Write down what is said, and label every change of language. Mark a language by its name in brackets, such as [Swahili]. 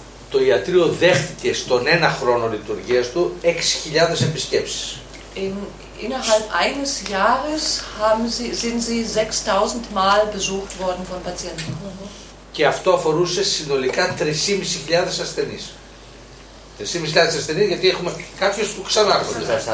[Greek] Το ιατρείο δέχτηκε στον ένα χρόνο λειτουργίας του 6.000 επισκέψεις. [German] Innerhalb eines Jahres sind sie 6.000 Mal besucht worden von Patienten. [Greek] Και αυτό αφορούσε συνολικά 3.500 ασθενείς. 3.500 ασθενείς, γιατί έχουμε κάποιους που ξανάρχονται.